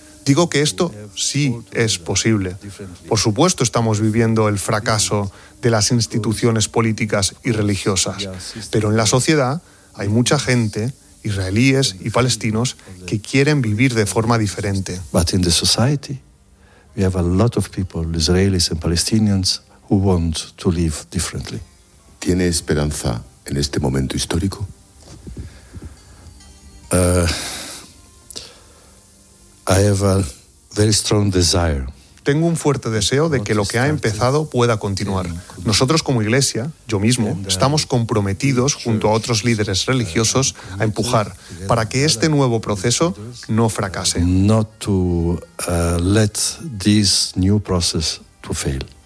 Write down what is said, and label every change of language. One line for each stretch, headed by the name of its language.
Spanish: Digo que esto sí es posible. Por supuesto, estamos viviendo el fracaso de las instituciones políticas y religiosas, pero en la sociedad hay mucha gente, israelíes y palestinos, que quieren vivir de forma diferente.
English: But in the society, we have a lot of people, Israelis and Palestinians, who want to live differently.
Spanish: ¿Tiene esperanza en este momento histórico?
English: I have a very strong desire.
Spanish: Tengo un fuerte deseo de que lo que ha empezado pueda continuar. Nosotros como iglesia, yo mismo, estamos comprometidos junto a otros líderes religiosos a empujar para que este nuevo proceso no fracase.
English: Not to let this new process to fail.